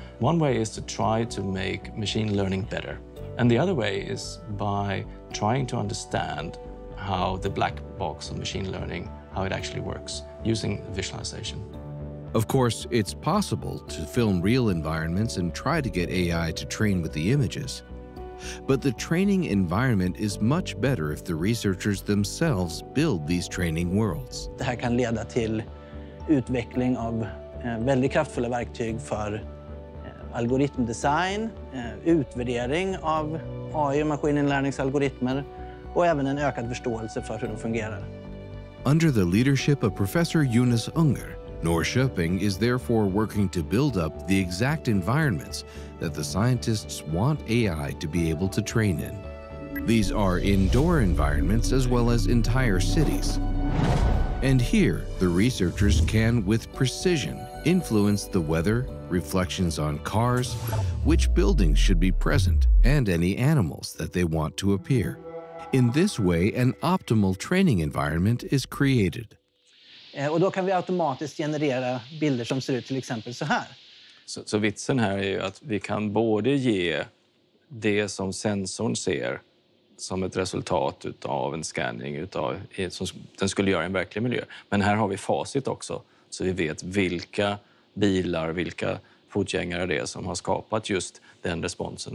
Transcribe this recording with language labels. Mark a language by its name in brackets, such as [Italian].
[English] One way is to try to make machine learning better. And the other way is by trying to understand how the black box of machine learning, how it actually works using visualization. Of course, it's possible to film real environments and try to get AI to train with the images. But the training environment is much better if the researchers themselves build these training worlds. [Swedish] Det här kan leda till utveckling av väldigt kraftfulla verktyg för algoritmdesign, utvärdering av AI och maskininlärningsalgoritmer och även en ökad förståelse för hur de fungerar. [English] Under the leadership of Professor Jonas Unger, Norrköping is therefore working to build up the exact environments that the scientists want AI to be able to train in. These are indoor environments as well as entire cities. And here, the researchers can, with precision, influence the weather, reflections on cars, which buildings should be present, and any animals that they want to appear. In this way, an optimal training environment is created. [Swedish] Och då kan vi automatiskt generera bilder som ser ut till exempel så här. Så vitsen här är ju att vi kan både ge det som sensorn ser som ett resultat av en scanning utav, som den skulle göra i en verklig miljö. Men här har vi facit också, så vi vet vilka bilar, vilka fotgängare det är som har skapat just den responsen.